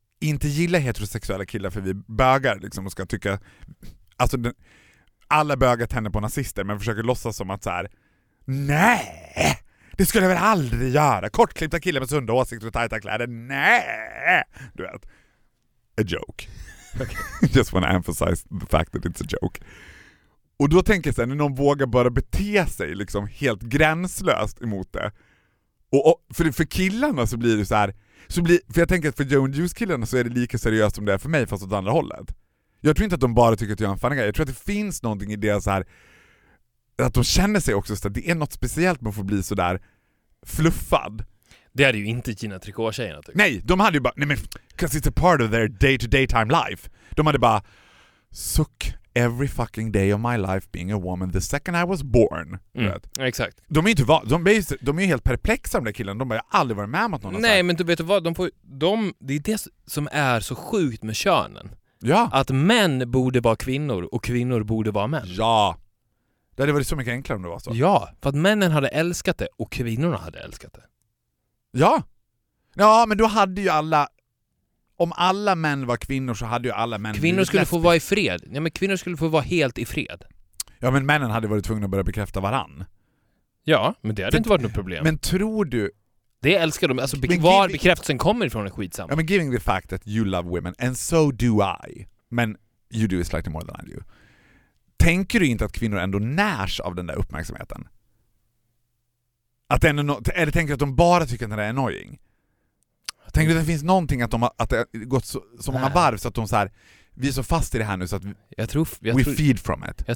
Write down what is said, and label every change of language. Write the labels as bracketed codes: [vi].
[sv] inte gilla heterosexuella killar för vi bögar liksom och ska tycka, alltså alla bögar tänder på nazister men försöker låtsas som att så här, nej, det skulle jag väl aldrig göra, kortklippta killar med sunda åsikter och tajta kläder, nej, du vet, [en] a joke. Okay. Just want to emphasize the fact that it's a joke. [sv] Och då tänker jag så här, när någon vågar bara bete sig liksom helt gränslöst emot det, och för killarna så blir det så här. Så för jag tänker att för Joe and Juice-killarna så är det lika seriöst som det är för mig, fast åt andra hållet. Jag tror inte att de bara tycker att jag är en [en] funny guy. [sv] Jag tror att det finns någonting i det så här, att de känner sig också så att det är något speciellt med att få bli så där fluffad. Det hade ju inte Gina Tricot-tjejerna tycker. Nej, de hade ju bara, nej men, [en] 'cause it's a part of their day-to-day time life. [sv] De hade bara, [en] suck every fucking day of my life being a woman the second I was born. [sv] Mm, exakt. De är inte de är helt perplexa med de där killarna. De har aldrig varit med om att någon. Nej, men du vet du vad? Det är det som är så sjukt med könen. Ja. Att män borde vara kvinnor och kvinnor borde vara män. Ja. Det hade varit så mycket enklare om det var så. Ja, för att männen hade älskat det och kvinnorna hade älskat det. Ja. Ja, men då hade ju alla... Om alla män var kvinnor så hade ju alla män... Kvinnor skulle få vara i fred. Ja, men kvinnor skulle få vara helt i fred. Ja, men männen hade varit tvungna att börja bekräfta varann. Ja, men det hade inte varit något problem. Men tror du... Det älskar de. Alltså, var bekräftelsen kommer ifrån är skitsamma. Ja, men [en] giving the fact that you love women and so do I. [sv] Men [en] you do it slightly more than I do. [sv] Tänker du inte att kvinnor ändå närs av den där uppmärksamheten? Att ändå eller tänker du att de bara tycker att det är annoying? Tänk att det finns någonting att, att det har gått så många varv så att de så här, vi är så fast i det här nu så att jag tror, [en] feed from it.